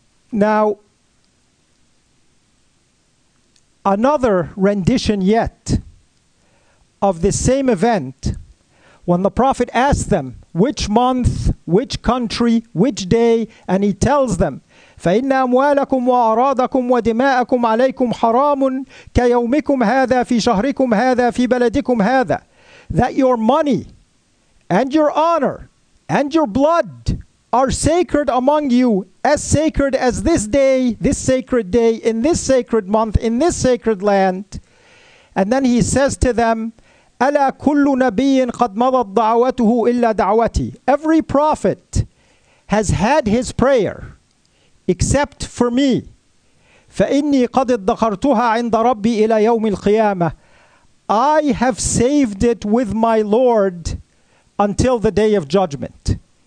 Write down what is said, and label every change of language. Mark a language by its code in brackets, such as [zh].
[en] Now, another rendition yet of this same event, when the prophet asks them which month, which country, which day, and he tells them, [ar] فَإِنَّ أَمْوَالَكُمْ وَأَرَادَكُمْ وَدِمَاءَكُمْ عَلَيْكُمْ حَرَامٌ كَيَوْمِكُمْ هَذَا فِي شَهْرِكُمْ هَذَا فِي بَلَدِكُمْ هَذَا. [en] That your money and your honor and your blood are sacred among you, as sacred as this day, this sacred day, in this sacred month, in this sacred land. And then he says to them, [ar] أَلَا كُلُّ نَبِيٍّ قَدْ مَضَتْ دَعْوَتُهُ إِلَّا دَعْوَتِي. [en] Every prophet has had his prayer, except for me. [ar] فَإِنِّي قَدْ اِدَّخَرْتُهَا عِنْدَ رَبِّي إِلَى يَوْمِ الْقِيَامَةِ. [en] I have saved it with my Lord until the day of judgment.